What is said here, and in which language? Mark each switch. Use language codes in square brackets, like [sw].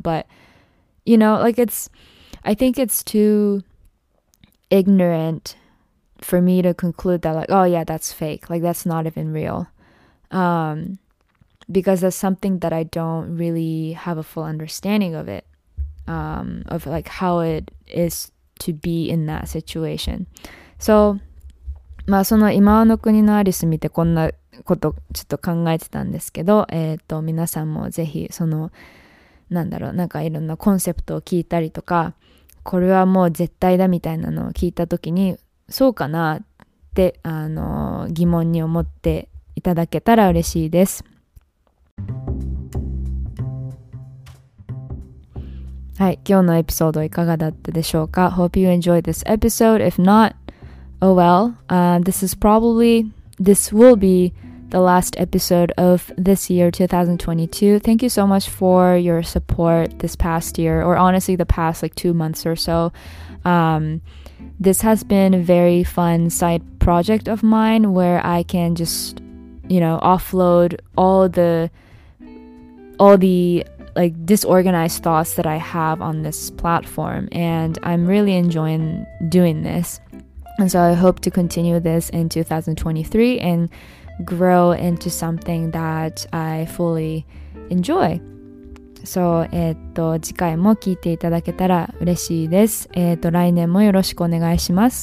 [en] But, you know, like it's, I think it's too ignorant for me to conclude that like, oh yeah, that's fake. Like that's not even real. Because that's something that I don't really have a full understanding of it, of like how it is to be in that situation. So, [ja] まあその今の国のアリス見てこんなことちょっと考えてたんですけど、皆さんもぜひそのなんだろうなんかいろんなコンセプトを聞いたりとかこれはもう絶対だみたいなのを聞いた時にそうかなって疑問に思っていただけたら嬉しいです。はい、今日のエピソードいかがだったでしょうか。 [en] Hope you enjoyed this episode. If notOh well, this will be the last episode of this year, 2022. Thank you so much for your support this past year, or honestly the past like 2 months or so. This has been a very fun side project of mine where I can just, you know, offload all the like disorganized thoughts that I have on this platform. And I'm really enjoying doing this. And so I hope to continue this in 2023 and grow into something that I fully enjoy. So, [ja] 次回も聞いていただけたら嬉しいです。来年もよろしくお願いします。